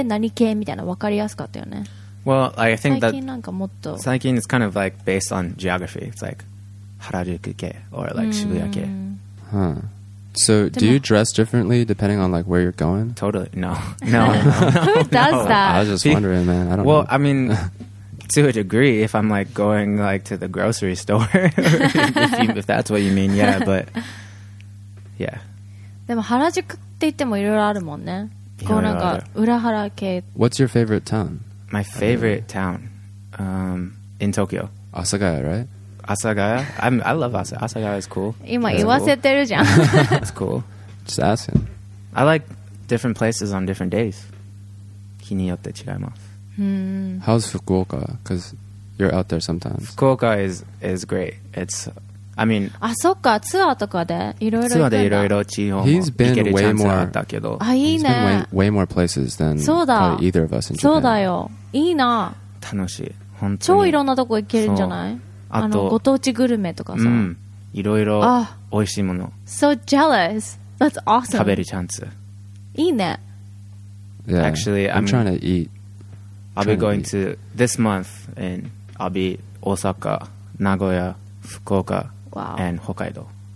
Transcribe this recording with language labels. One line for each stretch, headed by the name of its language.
Japanese: あれなんていうの？なんか昔の方が何系何系みたいな分かりやすかったよね。
English: Well, I think that 最近 it's kind of like based on geography. It's like Harajuku-ke or like Shibuya-ke. Huh. So, do you dress differently depending on like where you're going? Totally. No. Who does that? I was just wondering, man. I don't. Well, know. I mean. To a degree, if I'm like going like to the grocery store, if that's what you mean, yeah. But yeah.
Japanese: でも原宿って言ってもいろいろあるもんね。こうなんか裏原系。
English: What's your favorite town? My favorite town, in Tokyo. Asagaya, right? Asagaya. I love Asagaya. Asagaya is cool.
Japanese: 今言わせてるじゃん。
English: It's cool. Just asking. I like different places on different days.
Japanese: 日によって違います。
English: How's Fukuoka? Because you're out there sometimes. Fukuoka is great. It's, I mean.
Japanese: Ah, so ka. Tour とかでいろいろ。 Tour でいろいろ地方も。
English: He's been way more.
Japanese: いいね。
English: Way more places than either of us in Japan.
Japanese: そうだよ。いいな。楽しい。本当に。超いろんなとこ行けるんじゃない？あとご当地グルメとかさ。いろいろ。美味しいもの。
English: So jealous. That's awesome.
Japanese: 食べるチャンス。いいね。
English: Yeah. Actually, I'm trying to eat. I'll be going to this month, and I'll be Osaka, Nagoya, Fukuoka, and Hokkaido.